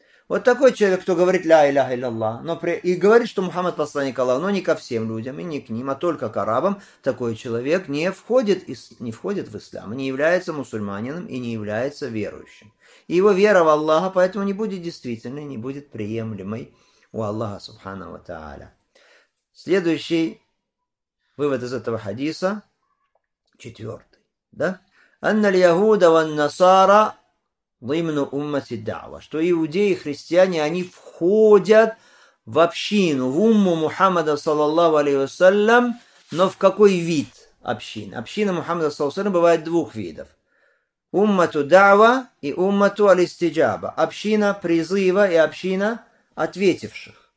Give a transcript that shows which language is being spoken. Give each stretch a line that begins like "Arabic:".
Russian: Вот такой человек, кто говорит
Arabic: «Ля иляха илля Аллах»,
Russian: и говорит, что Мухаммад посланник Аллаха, но не ко всем людям, и не к ним, а только к арабам, такой человек не входит в ислам, не является мусульманином и не является верующим. И его вера в Аллаха поэтому не будет действительной, не будет приемлемой у Аллаха, субхана ва тааля. Следующий вывод из этого хадиса, четвертый, да?
Arabic: أن اليهود والنصارى ضمن أمة الدعوة.
Russian: что иудеи и христиане они входят в общину, в умму Мухаммада
Arabic: саллаллаху алейхи ва саллям,
Russian: но в какой вид общин? Община Мухаммада
Arabic: саллаллаху алейхи ва саллям
Russian: бывает двух видов. Уммату дава и уммату алистиджаба. Община призыва и община ответивших.